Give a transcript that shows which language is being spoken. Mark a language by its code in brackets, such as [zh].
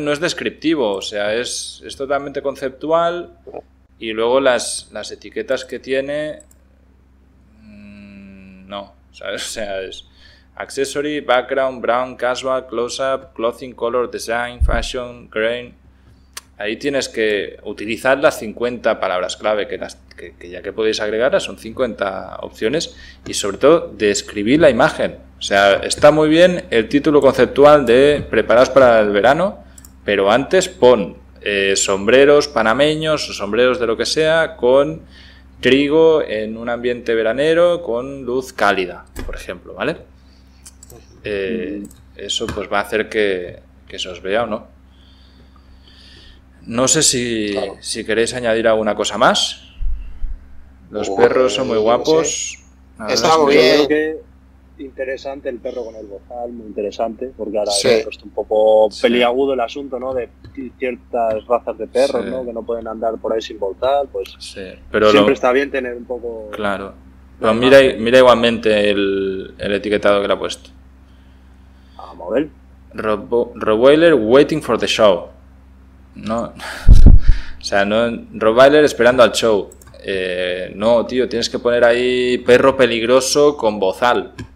[es] No es descriptivo, o sea, es totalmente conceptual. Y luego las etiquetas que tiene, no, ¿sabes? O sea, es accessory, background, brown, casual, close-up, clothing, color, design, fashion, grain... Ahí tienes que utilizar las 50 palabras clave, que ya que podéis agregarlas, son 50 opciones, y sobre todo describir la imagen. O sea, está muy bien el título conceptual de preparados para el verano, pero antes pon sombreros panameños o sombreros de lo que sea con trigo en un ambiente veranero con luz cálida, por ejemplo, ¿vale? Eso pues va a hacer que se os vea o no. No sé si, claro, si queréis añadir alguna cosa más. Los perros son muy guapos. No sé. Está muy bien. Yo creo que interesante el perro con el bozal, muy interesante, porque ahora está un poco peliagudo el asunto, ¿no? De ciertas razas de perros, ¿no? Que no pueden andar por ahí sin bozal, pues Pero siempre está bien tener un poco... Claro. Pero mira igualmente el etiquetado que le ha puesto. Vamos a ver. [en] Rottweiler waiting for the show. [es] No, o sea, no, Rottweiler esperando al show. No, tío, tienes que poner ahí perro peligroso con bozal.